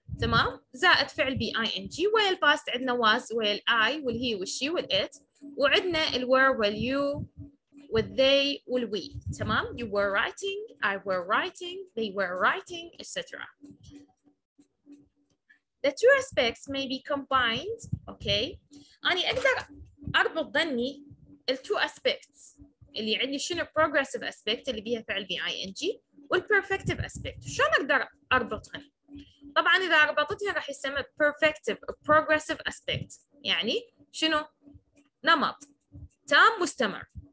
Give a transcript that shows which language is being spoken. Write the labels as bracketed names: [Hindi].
[Arabic] تمام؟ زائد فعل be ing ويل past عندنا was ويل I والhe والshe والit وعندنا الwere ويل you والthey والwe. [English] تمام؟ You were writing, I were writing, they were writing, etc. The two aspects may be combined, okay? [Arabic] أني أقدر أربط ضني ال [English] two aspects [Arabic] اللي عندي شنو [English] progressive aspect [Arabic] اللي بيها فعل be ing وال [English] perfective aspect. [Arabic] شلون أقدر أربطهم؟ طبعاً إذا ربطتها راح يسمى [English] perfective or progressive aspect. [Arabic] يعني شنو؟ نمط تام مستمر.